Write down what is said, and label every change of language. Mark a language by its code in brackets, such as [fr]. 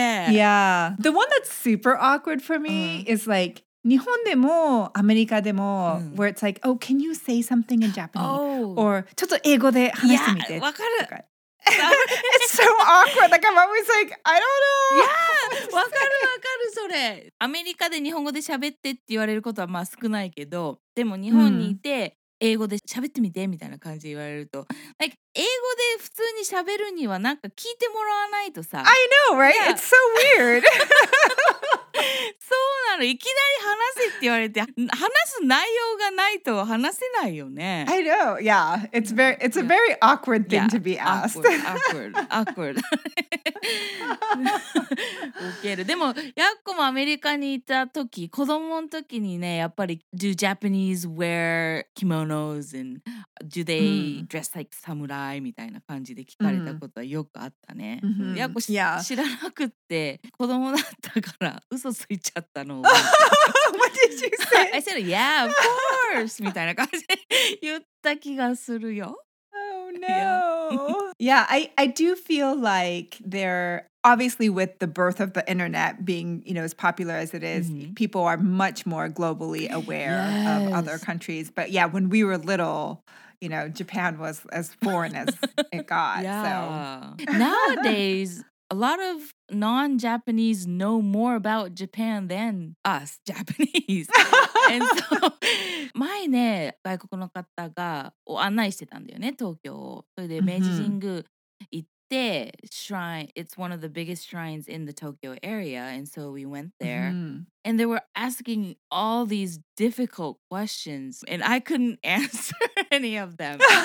[en] Yeah. The one that's super awkward for me is like, [ja] 日本でもアメリカでも、 [en] where it's like, oh, can you say something in Japanese? [ja] Or, ちょっと英語で話してみて。いや、わかる。 [en] It's so awkward. Like, I'm always like, I don't know. [ja] Yeah, わかるわかるそれ。アメリカで日本語で喋ってって言われることはまあ少ないけど、でも日本にいて、英語で喋ってみてみたいな感じで言われると、like, 英語で普通に喋るにはなんか聞いてもらわないとさ。 [en] I know, right? Yeah. It's so weird. [ja] そうなの。いきなり話せって言われて、話す内容がないと話せないよね。 [en] I know, yeah. It's a very awkward thing to be asked. Awkward. [ja] 受ける。でも、ヤッコもアメリカにいた時、子供の時にね、やっぱり、 [en] Do Japanese wear kimonos and do they dress like samurai? [ja] みたいな感じで聞かれたことはよくあったね。ヤッコ知らなくって、子供だったから、嘘ついちゃったの。 [en] What did you say? I said, yeah, of course! [ja] みたいな感じで言った気がするよ。 [en] No. Yeah, I do feel like they're obviously with the birth of the internet being, you know, as popular as it is, people are much more globally aware of other countries. But yeah, when we were little, you know, Japan was as foreign as it got. So nowadays, a lot of non-Japanese know more about Japan than us Japanese. And so, [ja] 前ね、外国の方がを案内してたんだよね、東京を。それで明治神宮行って、 [en] shrine, it's one of the biggest shrines in the Tokyo area, and so we went there. And they were asking all these difficult questions, and I couldn't answer any of them.